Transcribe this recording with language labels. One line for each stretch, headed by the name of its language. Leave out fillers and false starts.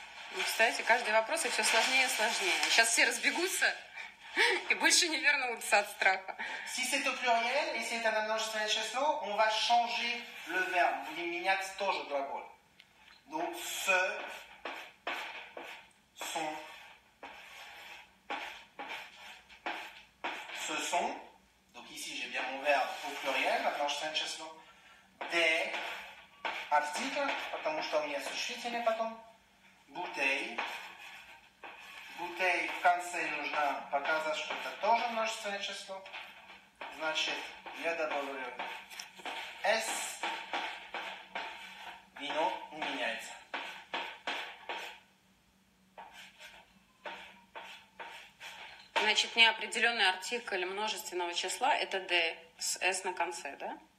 Russian: Ну, кстати, каждый вопрос все сложнее и сложнее. Сейчас все разбегутся и больше не вернутся от страха.
French: Si c'est au pluriel, et si c'est un
Russian: множественное число,
French: on va changer le verbe.
Russian: Будем менять тоже глагол.
French: Donc, ce, sont, ce sont, donc ici j'ai bien mon verbe au pluriel, un
Russian: множественное число,
French: des articles,
Russian: потому что у меня существительное потом,
French: bouteille, bouteille,
Russian: в конце нужно показать, что это тоже множественное число. Значит, я добавлю S, вино не меняется. Значит, неопределенный артикль множественного числа это D с S на конце, да?